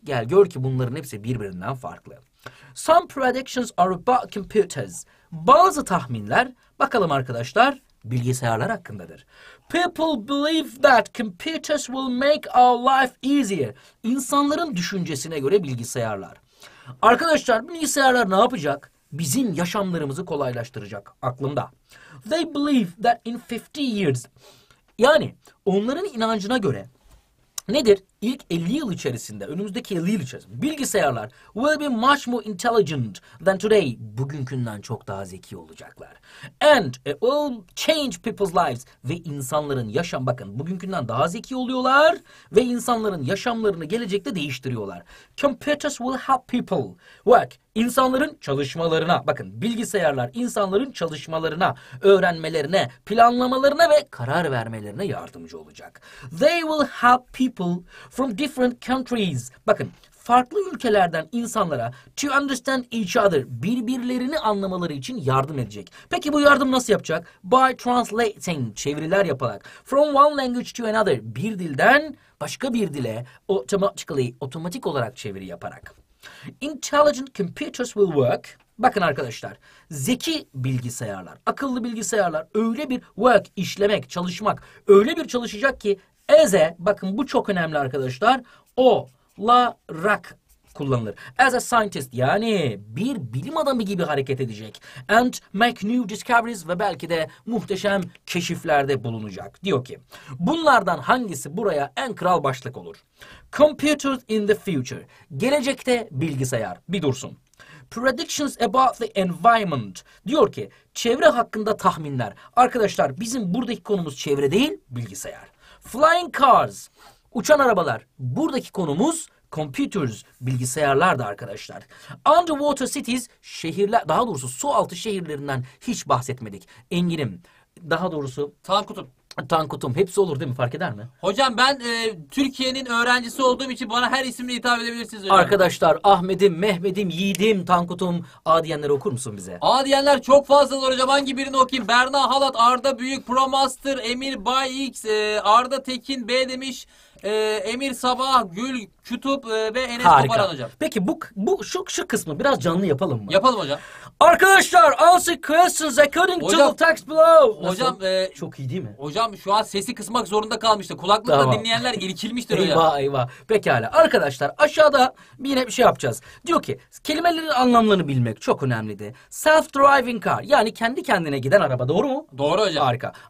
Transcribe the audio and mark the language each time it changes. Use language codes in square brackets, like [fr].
[tr] Gel gör ki bunların hepsi birbirinden farklı. [en] Some predictions are about computers. [tr] Bazı tahminler, bakalım arkadaşlar, bilgisayarlar hakkındadır. [en] People believe that computers will make our life easier. [tr] İnsanların düşüncesine göre bilgisayarlar. Arkadaşlar bilgisayarlar ne yapacak? Bizim yaşamlarımızı kolaylaştıracak aklımda. [en] They believe that in 50 years, [tr] yani onların inancına göre nedir? İlk 50 yıl içerisinde, önümüzdeki 50 yıl içerisinde bilgisayarlar [en] will be much more intelligent than today. [tr] Bugünkünden çok daha zeki olacaklar. [en] And it will change people's lives. [tr] Ve insanların yaşam, bakın bugünkünden daha zeki oluyorlar ve insanların yaşamlarını gelecekte değiştiriyorlar. [en] Computers will help people work. [tr] İnsanların çalışmalarına, bakın bilgisayarlar insanların çalışmalarına, öğrenmelerine, planlamalarına ve karar vermelerine yardımcı olacak. [en] They will help people from different countries. [tr] Bakın farklı ülkelerden insanlara [en] to understand each other, [tr] birbirlerini anlamaları için yardım edecek. Peki bu yardım nasıl yapacak? [en] By translating, [tr] çeviriler yaparak. [en] From one language to another, [tr] bir dilden başka bir dile automatically, otomatik olarak çeviri yaparak. [en] Intelligent computers will work. [tr] Bakın arkadaşlar, zeki bilgisayarlar, akıllı bilgisayarlar öyle bir work, işlemek, çalışmak, öyle bir çalışacak ki as a, bakın bu çok önemli arkadaşlar, o, la, rak kullanılır. [en] As a scientist, [tr] yani bir bilim adamı gibi hareket edecek. [en] And make new discoveries [tr] ve belki de muhteşem keşiflerde bulunacak. Diyor ki, bunlardan hangisi buraya en kral başlık olur? [en] Computers in the future. [tr] Gelecekte bilgisayar. Bir dursun. [en] Predictions about the environment. [tr] Diyor ki, çevre hakkında tahminler. Arkadaşlar bizim buradaki konumuz çevre değil, bilgisayar. Flying cars, uçan arabalar. Buradaki konumuz computers, bilgisayarlar da arkadaşlar. Underwater cities, şehirler, daha doğrusu su altı şehirlerinden hiç bahsetmedik. Enginim, daha doğrusu Tankut'um. Tankut'um, hepsi olur değil mi? Fark eder mi? Hocam ben Türkiye'nin öğrencisi olduğum için bana her isimle hitap edebilirsiniz hocam. Arkadaşlar, Ahmet'im, Mehmet'im, Yiğit'im, Tankut'um, A diyenleri okur musun bize? A diyenler çok fazlalar hocam. Hangi birini okuyayım? Berna Halat, Arda Büyük, Promaster, Emir Bay X, Arda Tekin, B demiş, Emir Sabah, Gül Kütüp ve Enes Toparan hocam. Peki bu şu kısmı biraz canlı yapalım mı? Yapalım hocam. [en] Arkadaşlar, answer questions according hocam, to the text below. [tr] Nasıl? Hocam çok iyi değil mi? Hocam şu an sesi kısmak zorunda kalmıştı. Kulaklıkla tamam. Dinleyenler irkilmiştir hocam. Eyvah eyvah. Pekala. Arkadaşlar aşağıda yine bir şey yapacağız. Diyor ki kelimelerin anlamlarını bilmek çok önemliydi. Self-driving car, yani kendi kendine giden araba, doğru mu? Doğru hocam. Harika.